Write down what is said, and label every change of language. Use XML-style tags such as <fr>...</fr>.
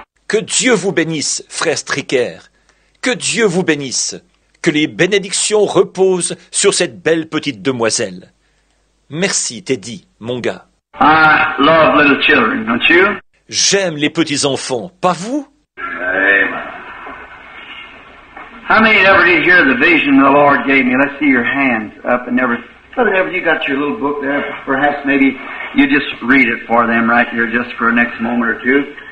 <fr>Que Dieu vous bénisse, frère Stricker. Que Dieu vous bénisse. Que les bénédictions reposent sur cette belle petite demoiselle. Merci, Teddy, mon gars.</fr> <en>I love little children, don't you?</en> <fr>J'aime les petits enfants, pas vous? Amen.</fr> <en>How many ever did hear the vision the Lord gave me? Let's see your hands up and never. Whatever you got your little book there, perhaps maybe you just read it for them right here, just for the next moment or two.</en>